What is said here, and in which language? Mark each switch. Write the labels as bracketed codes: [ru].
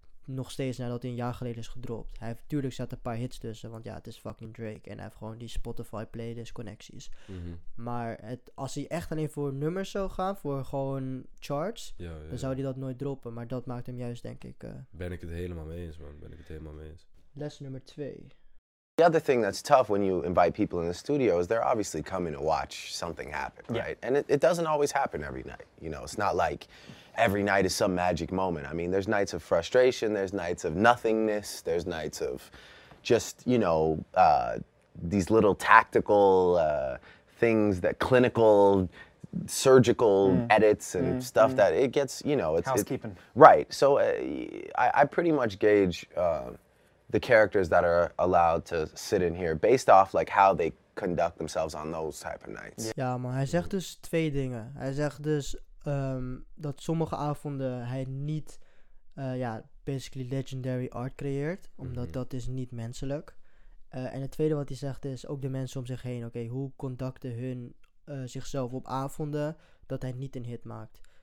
[nl] Nog steeds nadat hij 1 jaar geleden is gedropt. Hij heeft natuurlijk zat een paar hits tussen, want ja, het is fucking Drake. En hij heeft gewoon die Spotify playlist connecties. Mm-hmm. Maar als hij echt alleen voor nummers zou gaan, voor gewoon charts, dan zou hij dat nooit droppen. Maar dat maakt hem juist, denk ik. Ben ik het helemaal mee eens, man. Ben ik het helemaal mee eens. Les nummer 2. [en] The other thing that's tough when you invite people in the studio is they're obviously coming to watch something happen, right? Yeah. And it doesn't always happen every night, you know? It's not like every night is some magic moment. I mean, there's nights of frustration, there's nights of nothingness, there's nights of just, you know, these little tactical things, that clinical surgical edits and stuff that it gets, you know, it's housekeeping. Right. So I pretty much gauge the characters that are allowed to sit in here based off like how they conduct themselves on those type of nights. [nl] Ja, maar hij zegt dus twee dingen. Hij zegt dus dat sommige avonden hij niet [en] basically legendary art [nl] creëert, omdat dat is niet menselijk. En het tweede wat hij zegt is ook de mensen om zich heen. Oké, hoe conducten hun zichzelf op avonden dat hij niet een hit maakt?